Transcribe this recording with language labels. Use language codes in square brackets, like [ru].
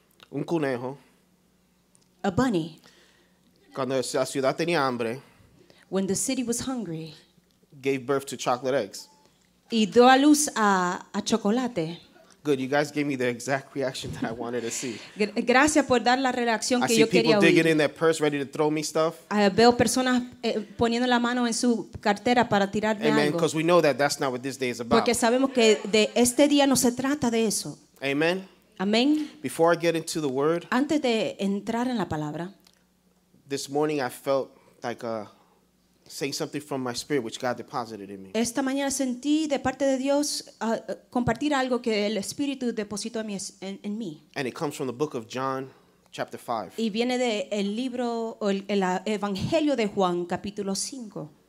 [es] un conejo, [en] a bunny. [es] Cuando la ciudad tenía hambre, [en] when the city was hungry, gave birth to chocolate eggs. [es] Y dio a luz a chocolate. [en] Good, you guys gave me the exact reaction that I wanted to see. [es] Gracias por dar la reacción que yo quería oír. [en] I see people digging in their purse, ready to throw me stuff. [es] Veo personas poniendo la mano en su cartera para tirarme algo. Amen. [en] Because we know that that's not what this day is about. [es] Porque sabemos que de este día no se trata de eso. Amen. Amen. [en] Before I get into the word, [es] antes de entrar en la palabra, [en] this morning I felt like a saying something from my spirit which God deposited in me. [es] Esta mañana sentí de parte de Dios compartir algo que el Espíritu depositó en mí. [en] And it comes from the book of John, chapter 5. [es] Y viene de el libro o el Evangelio de Juan, capítulo 5.